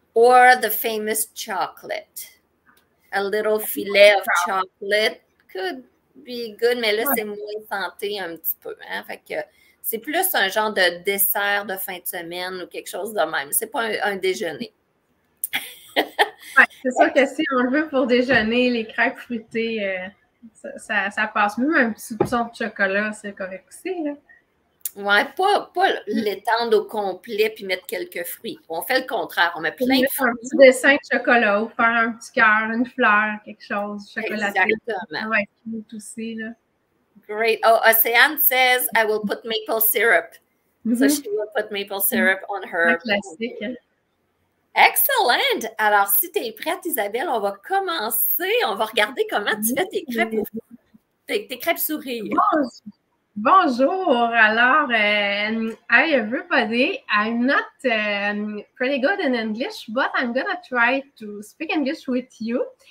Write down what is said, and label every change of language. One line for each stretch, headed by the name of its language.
English: Or the famous chocolate. A little filet of chocolate could be good,
French: mais là, ouais, c'est moins santé un petit peu. Hein? Fait que c'est plus un genre de dessert de fin de semaine ou quelque chose de même. C'est pas un déjeuner. Ouais, c'est sûr que si on le veut pour déjeuner, les crêpes fruitées, ça passe. Même un petit soupçon de chocolat, c'est correct aussi. Là. Ouais, pas l'étendre au complet puis mettre quelques fruits. On fait le contraire, on met plein de fruits. Un petit dessin de chocolat ou faire un petit cœur, une fleur, quelque chose, chocolaté. Ouais, tout aussi, là.
English: Great. Oh, Océane says, I will put maple syrup. Mm-hmm. So she will put maple syrup on her.
French: Un classique, hein. Excellent! Alors, si tu es prête, Isabelle, on va commencer. On va regarder comment tu fais tes crêpes souris. Bonjour! Alors,
English: hi everybody. I'm not pretty good in English, but I'm going to try to speak English with you.